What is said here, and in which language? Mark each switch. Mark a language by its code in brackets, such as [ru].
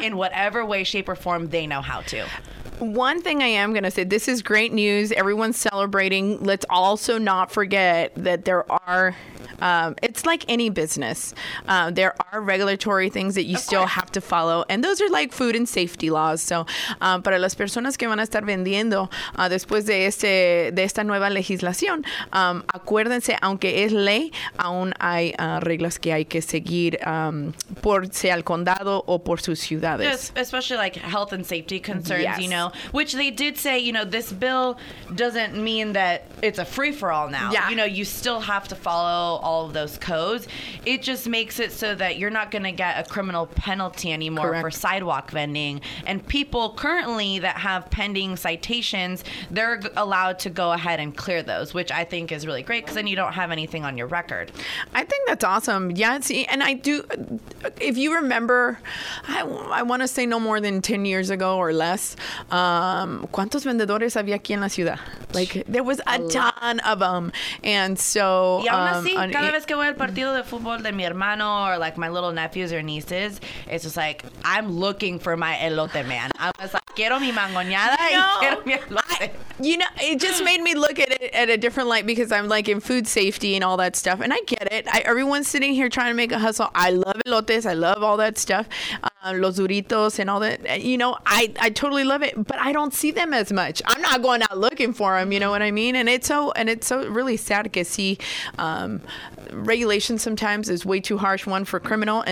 [en] In whatever way, shape, or form they know how to. One thing I am going to say, this is great news. Everyone's celebrating. Let's also not forget that there are, it's like any business. There are regulatory things that you still have to follow. And those are like food and safety laws. [es] So para las personas que van a estar vendiendo después de esta nueva legislación, acuérdense, aunque es ley, aún hay reglas que hay que seguir por sea el condado o por sus ciudades. [en] Especially like health and safety concerns, yes. you know. which they did say, you know, this bill doesn't mean that it's a free-for-all now. Yeah. You know, you still have to follow all of those codes. It just makes it so that you're not going to get a criminal penalty anymore. Correct. For sidewalk vending. And people currently that have pending citations, they're allowed to go ahead and clear those, which I think is really great, because then you don't have anything on your record. I think that's awesome. Yeah, see, and I do, if you remember, I want to say no more than 10 years ago or less, [es] ¿cuántos vendedores había aquí en la ciudad? [en] Like, there was a ton of them. And so, [es] y aún así, cada vez que voy al partido de fútbol de mi hermano [en] or like my little nephews or nieces, it's just like, I'm looking for my elote, man. I was like, [es] quiero mi mangoñada y quiero mi elote. [en] You know, it just made me look at it at a different light, because I'm like in food safety and all that stuff. And I get it. Everyone's sitting here trying to make a hustle. I love elotes. I love all that stuff. [es] Los duritos [en] and all that. You know, I totally love it, but I don't see them as much. I'm not going out looking for them. You know what I mean? And it's so really sad to see regulation sometimes is way too harsh, one for criminal.